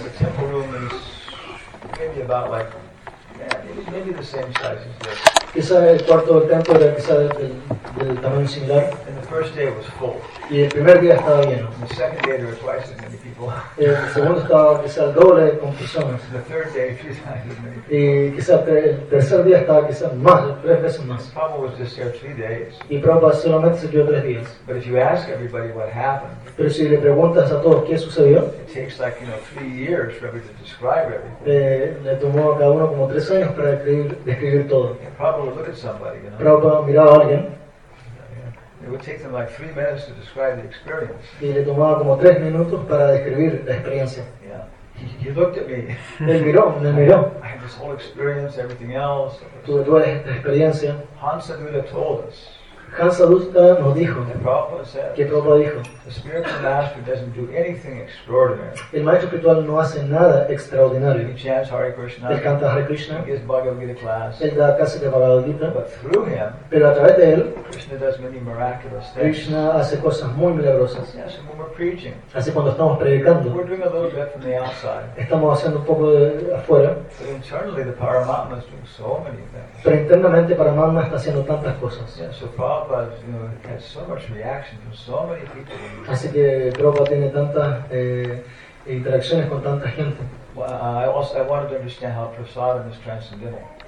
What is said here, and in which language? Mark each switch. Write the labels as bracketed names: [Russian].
[English] The temple room is maybe about like, yeah, maybe the same size as this. [Spanish] Quizá el cuarto del templo era quizá del tamaño similar. [English] And the first day was full. [Spanish] Y el primer día estaba lleno. [English] And the second day there were twice as many people. [Spanish] Y el segundo estaba quizá el doble con personas. [English] The third day, 3 times as many people. [Spanish] Y quizá el tercer día estaba quizá más, 3 veces más. [English] Prabhupada was just there 3 days. [Spanish] Y Prabhupada solamente se quedó 3 días. [English] But if you ask everybody what happened, [Spanish] pero si le preguntas a todos qué sucedió, [English] it takes like, you know, 3 years for everybody to describe everything. [Spanish] Le tomó a cada uno como 3 años para describir todo. [English] Prabhupada [Spanish] miraba a alguien. [English] It would take them like 3 minutes to describe the experience. [Spanish] Y le tomaba como 3 minutos para describir la experiencia. [English] Yeah. He looked at me. [Spanish] Me miró. [English] I had this whole experience, everything else. [Spanish] Tuve toda esta experiencia. [English] Hansaduta told us. [Spanish] Hansaduta nos dijo. Que Prabhupada dijo. [English] The spiritual master doesn't do anything extraordinary. [Spanish] El maestro espiritual no hace nada extraordinario. [English] He chants Hare Krishna. [Spanish] Él canta Hare Krishna. [English] He gives Bhagavad Gita class. [Spanish] Él da clase de Bhagavad Gita. [English] But through him, [Spanish] pero a través de él, [English] Krishna does many miraculous [Spanish] things. Krishna hace cosas muy milagrosas. [English] Yes, when we're preaching. [Spanish] Así cuando estamos predicando. [English] We're doing a little bit from the outside. [Spanish] Estamos haciendo un poco de afuera. [English] But internally, the Paramatma is doing so many things. [Spanish] Pero internamente Paramatma está haciendo tantas cosas. [English] Yes, so Prabhupada, you know, has so much reaction from so many people. [Spanish] Así que Prabhupada tiene tantas interacciones con tanta gente. [English] Well, I wanted to understand how prasadam is transcendental.